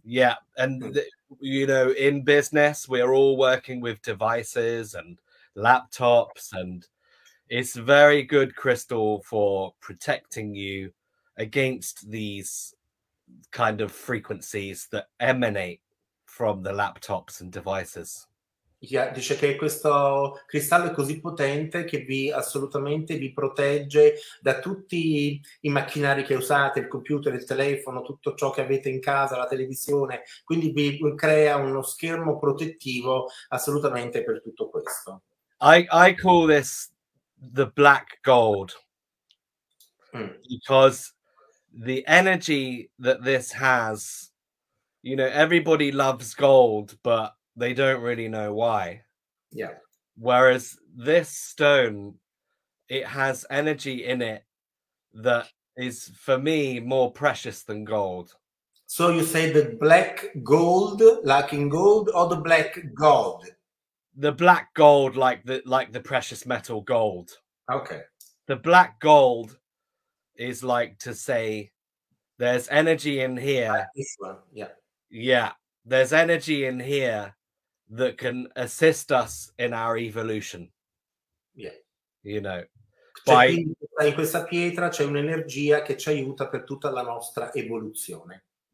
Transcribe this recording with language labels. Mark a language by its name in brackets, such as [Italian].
[English] Yeah, and you know, in business, we are all working with devices and laptops, and it's very good crystal for protecting you against these kind of frequencies that emanate from the laptops and devices. [Italian] Yeah, dice che questo cristallo è così potente che vi assolutamente vi protegge da tutti i macchinari che usate, il computer, il telefono, tutto ciò che avete in casa, la televisione, quindi vi crea uno schermo protettivo assolutamente per tutto questo. [English] I call this the black gold because the energy that this has, you know, everybody loves gold but they don't really know why. Whereas this stone, it has energy in it that is for me more precious than gold. So you say the black gold, like in gold, or the black gold? The black gold, like the precious metal gold. Okay. The black gold is like to say there's energy in here. This one, yeah. Yeah, there's energy in here that can assist us in our evolution. Yeah. You know. [Italian] In questa pietra c'è un'energia che ci aiuta per tutta la nostra evoluzione.